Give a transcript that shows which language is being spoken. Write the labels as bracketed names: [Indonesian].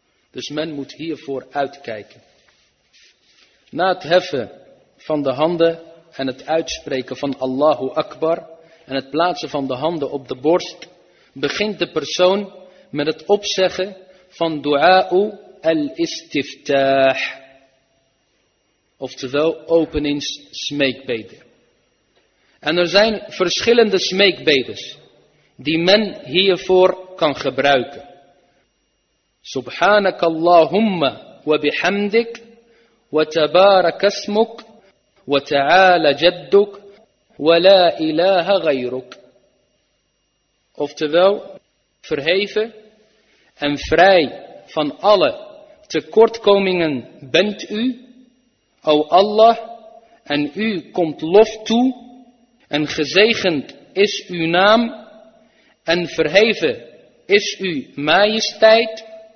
[Dutch] Dus men moet hiervoor uitkijken. Na het heffen van de handen en het uitspreken van Allahu Akbar en het plaatsen van de handen op de borst, begint de persoon met het opzeggen van du'a'u al-istiftah. Oftewel openingssmeekbeden. En er zijn verschillende smeekbedes die men hiervoor kan gebruiken. [Arabic] سبحانك اللهم وبحمدك وتبارك اسمك وتعالى جدك ولا إله غيرك. [Dutch] Oftewel, verheven en vrij van alle tekortkomingen bent u, o Allah, en u komt lof toe en gezegend is uw naam en verheven is uw majesteit.